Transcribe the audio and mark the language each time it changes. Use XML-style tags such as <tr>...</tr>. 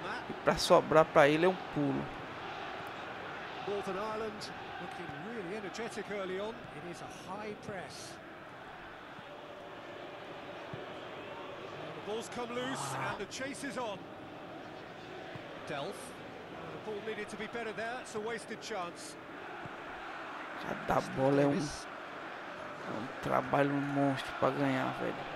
<pt>E pra sobrar pra ele é um pulo.</pt> <en>Northern Ireland looking really energetic early on. It is a high press. The ball's come loose and the chase is on. Delph. The ball needed to be better there. It's a wasted chance.</en> <pt>Já dá bola, é um trabalho monstro pra ganhar, velho.</pt>